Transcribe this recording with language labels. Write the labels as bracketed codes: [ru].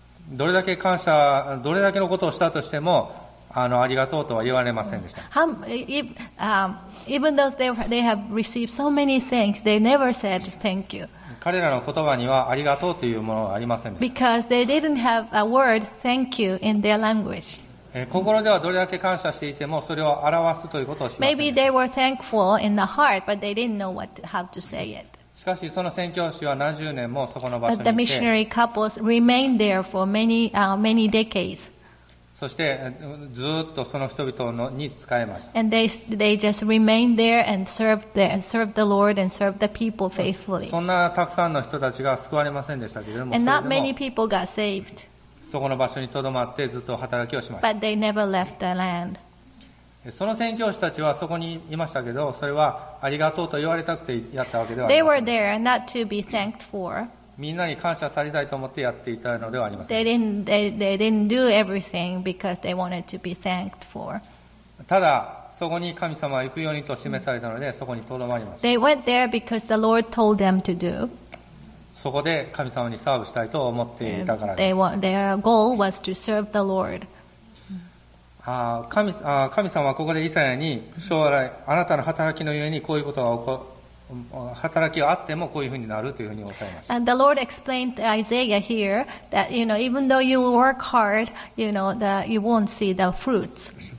[ja] どれだけ感謝、どれだけのことをしたとしても、ありがとうとは言われませんでした。 [en] Even though they have received so many thanks, they never said thank you. [ja] 彼らの言葉にはありがとうというものはありませんでした。 [en] Because they didn't have a word thank you in their language. [ja] 心ではどれだけ感謝していても、それを表すということをしませんでした。 [en] Maybe they were thankful in the heart, but they didn't know how to say it. [ja] しかしその宣教師は何十年もそこの場所にいて、 [en] But the missionary couples remained there for many decades. [ja] そしてずっとその人々のに使えました。 [en] And they just remained there and served the Lord and served the people faithfully. [ja] そんなたくさんの人たちが救われませんでしたけれども、 [en] And not many people got saved. [ja] そこの場所にとどまってずっと働きをしました。 [en] But they never left the land. [ja] その宣教師たちはそこにいましたけど、それはありがとうと言われたくてやったわけではありません。 [en] They were there not to be thanked for. [ja] みんなに感謝されたいと思ってやっていたのではありません。 [en] They didn't do everything because they wanted to be thanked for. [ja] ただそこに神様は行くようにと示されたので、そこに留まりました。 [en] They went there because the Lord told them to do. [ja] そこで神様にサーブしたいと思っていたからです。 [en] Their goal was to serve the Lord. [ja] 神様はここでイサヤに将来あなたの働きのゆえにこういうことが起こ働きがあってもこういうふうになるというふうにおっしゃいました。 [en] And the Lord explained to Isaiah here that you know even though you work hard, you know that you won't see the fruits.